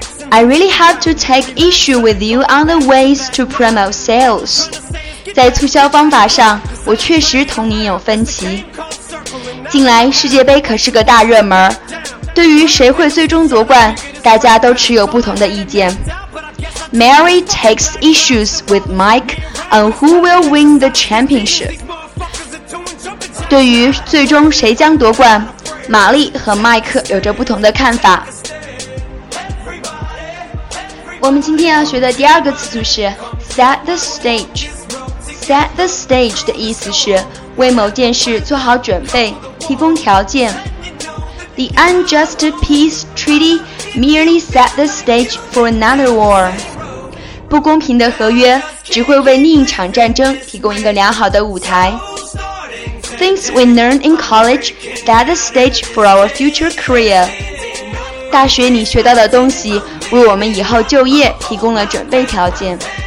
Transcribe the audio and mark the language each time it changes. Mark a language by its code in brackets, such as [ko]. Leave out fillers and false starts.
[en] I really have to take issue with you on the ways to promote sales. [zh] 在促销方法上，我确实同你有分歧。近来世界杯可是个大热门，对于谁会最终夺冠，大家都持有不同的意见。 [en] Mary takes issues with Mike on who will win the championship. [zh] 对于最终谁将夺冠，玛丽和麦克有着不同的看法。我们今天要学的第二个词组是 set the stage。 set the stage 的意思是为某件事做好准备，提供条件。 [en] The unjust peace treaty merely set the stage for another war。 [zh] 不公平的合约只会为另一场战争提供一个良好的舞台。 [en] Things we learn in college set the stage for our future career。 [zh] 大学你学到的东西为我们以后就业提供了准备条件。